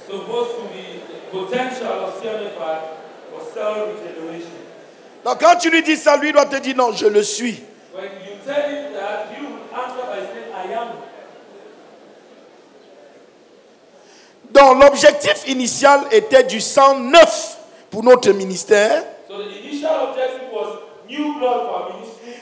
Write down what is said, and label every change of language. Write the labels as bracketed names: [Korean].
[English] Supposed to be the potential of CMFI for cell regeneration. [French] Donc quand tu lui dis ça, lui doit te dire non, je le suis. [English] When you tell him that, you answer by saying I am. [French] Donc l'objectif initial était du sang neuf pour notre ministère. [English] So the initial objective was new blood for ministry.